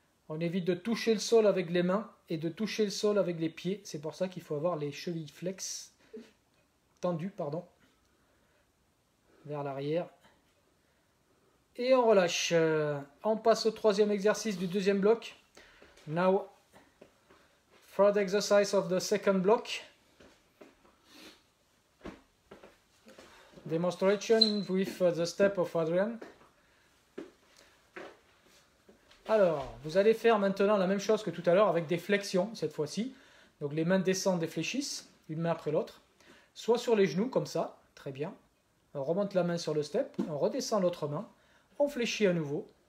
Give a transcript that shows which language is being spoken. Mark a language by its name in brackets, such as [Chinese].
[French] On évite de toucher le sol avec les mains et de toucher le sol avec les pieds. C'est pour ça qu'il faut avoir les chevilles flex, tendues, pardon, vers l'arrière. Et on relâche. On passe au troisième exercice du deuxième bloc. [English] Now, third exercise of the second block. Demonstration with the step of Adrian. [French] Alors, vous allez faire maintenant la même chose que tout à l'heure avec des flexions cette fois-ci. Donc les mains descendent et fléchissent, une main après l'autre. Soit sur les genoux, comme ça, très bien. On remonte la main sur le step, on redescend l'autre main, on fléchit à nouveau.